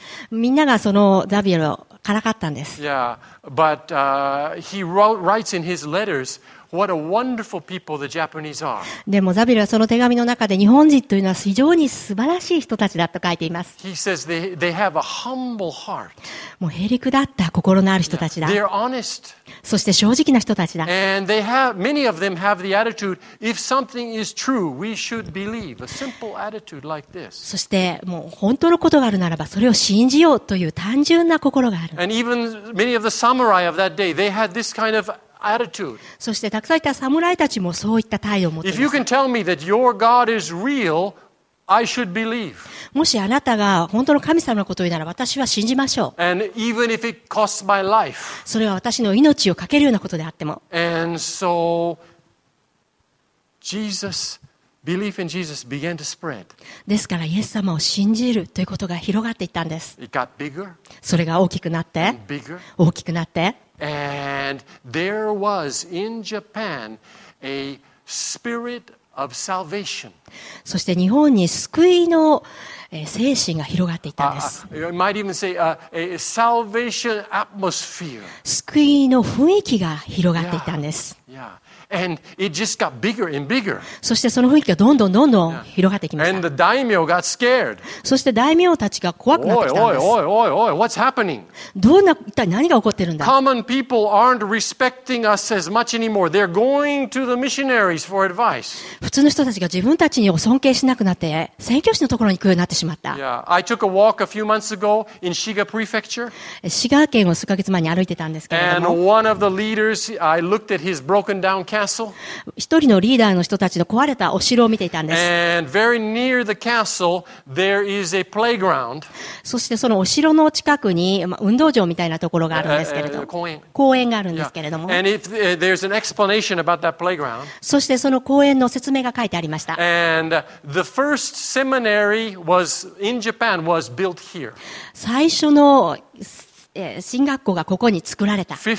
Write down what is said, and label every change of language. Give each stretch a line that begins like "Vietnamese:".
Japanese: みんながそのザビエルをからかったんです。
English: yeah, but, he writes in his letters, what a wonderful people the Japanese are.
Japanese: でもザビエルはその手紙の中で日本人というのは非常に素晴らしい人たちだと書いています。
English: he says they have a humble heart.
Japanese: もうへりくだった心のある人たちだ。
English: yeah, they're honest.
Japanese: そして正直な人たちだ。
English: and they have, many of them have the attitude, if something is true, we should believe. A simple attitude like this.
Japanese: そしてもう本当のことがあるならばそれを信じようという単純な心がある。
English: and even many of the samurai of that day, they had this kind of attitude.
Japanese: そしてたくさんいた侍たちもそういった態度を持っています。
English: If you can tell me that your God is real, I should believe.
Japanese: もしあなたが本当の神様のことを言うなら私は信じましょう。
English: And even if it costs my life.
Japanese: それは私の命を懸けるようなことであっても。
English: And so, Jesus, belief in Jesus began to spread.
Japanese: ですからイエス様を信じるということが広がっていったんです。
English: It got bigger.
Japanese: それが大きくなって、
English: and bigger.
Japanese: 大きくなって、
English: And there was in Japan a spirit of salvation.
Japanese: そして日本に救いの精神が広がっていたんです。
English: You might even say a salvation atmosphere.
Japanese: 救いの雰囲気が広がっていたんです。
English: Yeah. Yeah. And it just got bigger and bigger.
Japanese: そしてその雰囲気がどんどんどんどん広がってきました。
English: And the daimyo got scared.
Japanese: そして大名たちが怖くなってきたんです。
English: Oi, what's happening?
Japanese: どんな、一体何が起こってるんだ？
English: Common people aren't respecting us as much anymore. They're going to the missionaries for advice.
Japanese: 普通の人たちが自分たちに尊敬しなくなって、宣教師のところに行くようになってしまった。
English: Yeah, I took a walk a few months ago in Shiga Prefecture.
Japanese: 滋賀県を数ヶ月前に歩いてたんですけれども。
English: And one of the leaders, I looked at his broken down castle.
Japanese: 一人のリーダーの人たちの壊れたお城を見ていたんです。
English: And very near the castle, there is a playground.
Japanese: そしてそのお城の近くに運動場みたいなところがあるんですけれども。公園があるんですけれども。
English: Yeah. And if, there's an explanation about that playground.
Japanese: そしてその公園の説明が書いてありました。
English: And the first seminary was in Japan was built here.
Japanese: 最初の神学校がここに作られた。